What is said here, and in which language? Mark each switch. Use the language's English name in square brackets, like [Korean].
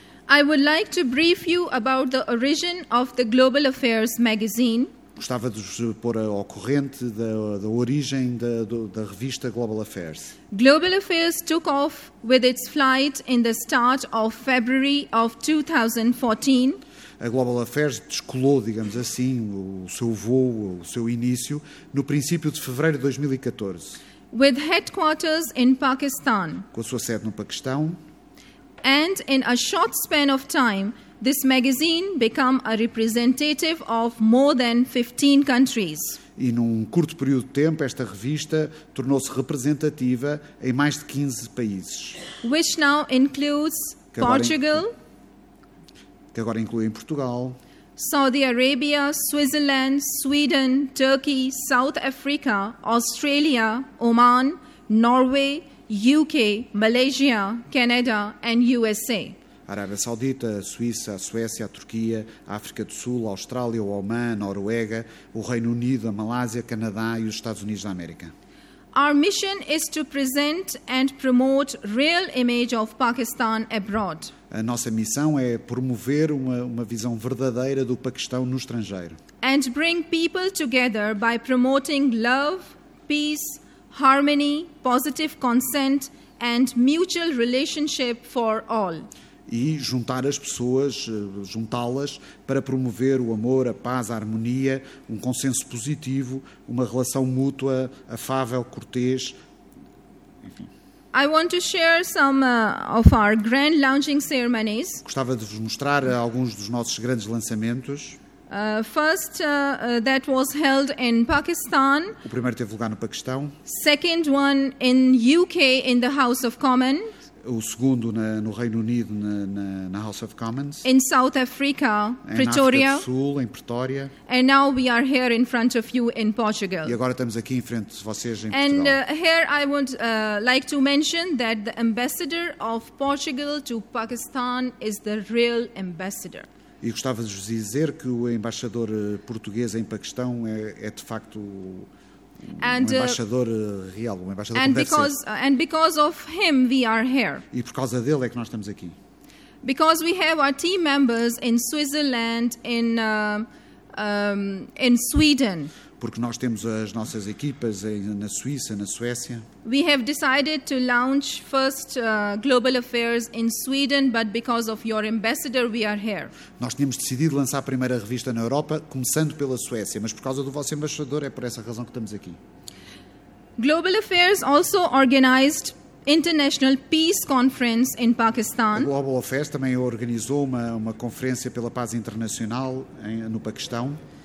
[English] I would like to brief you about the origin of the Global Affairs magazine. [Portuguese] Gostava de vos pôr ao corrente da origem da revista Global Affairs. [English] Global Affairs took off with its flight in the start of February of 2014. [Portuguese] A Global Affairs descolou, digamos assim, o seu voo, o seu início, no princípio de fevereiro de 2014. [English] With headquarters in Pakistan. [Portuguese] Com a sua sede no Paquistão. [English] And in a short span of time, this magazine became a representative of more than 15 countries. [Portuguese] E num curto período de tempo, esta revista tornou-se representativa em mais de 15 países. [English] Which now includes Portugal. [Portuguese] Que agora inclui em Portugal, [English] Saudi Arabia, Switzerland, Sweden, Turkey, South Africa, Australia, Oman, Norway, UK, Malaysia, Canada and USA. [Portuguese] Arábia Saudita, Suíça, Suécia, Turquia, África do Sul, Austrália, Oman, Noruega, o Reino Unido, a Malásia, Canadá e os Estados Unidos da América. [English] Our mission is to present and promote real image of Pakistan abroad. [Portuguese] A nossa missão é promover uma visão verdadeira do Paquistão no estrangeiro. [English] And bring people together by promoting love, peace, harmony, positive consent and mutual relationship for all. [Portuguese] E juntar as pessoas, juntá-las para promover o amor, a paz, a harmonia, um consenso positivo, uma relação mútua, afável, cortês. [English] I want to share some of our grand launching ceremonies. [Portuguese] Gostava de vos mostrar alguns dos nossos grandes lançamentos. [English] First, that was held in Pakistan. [Portuguese] O primeiro teve lugar no Paquistão. [English] Second one in UK in the House of Commons. [Portuguese] O segundo no Reino Unido na House of Commons. [English] In South Africa, Pretoria. [Portuguese] Em África do Sul, em Pretória. [English] And now we are here in front of you in Portugal. [Portuguese] E agora estamos aqui em frente de vocês em Portugal. [English] And here I would like to mention that the ambassador of Portugal to Pakistan is the real ambassador. [Portuguese] E gostava de vos dizer que o embaixador português em Paquistão é de facto um embaixador real, um embaixador [English] and because, [Portuguese] deve ser. [English] And because of him we are here. [Portuguese] E por causa dele é que nós estamos aqui. [English] Because we have our team members in Switzerland, in Sweden. [Portuguese] Porque nós temos as nossas equipas na Suíça, na Suécia. [English] We have decided to launch first Global Affairs in Sweden, but because of your ambassador we are here. [Portuguese] Nós tínhamos decidido lançar a primeira revista na Europa, começando pela Suécia, mas por causa do vosso embaixador é por essa razão que estamos aqui. [English] Global Affairs also organized International Peace Conference in Pakistan. [Portuguese] A Global Affairs também organizou uma conferência pela paz internacional no Paquistão.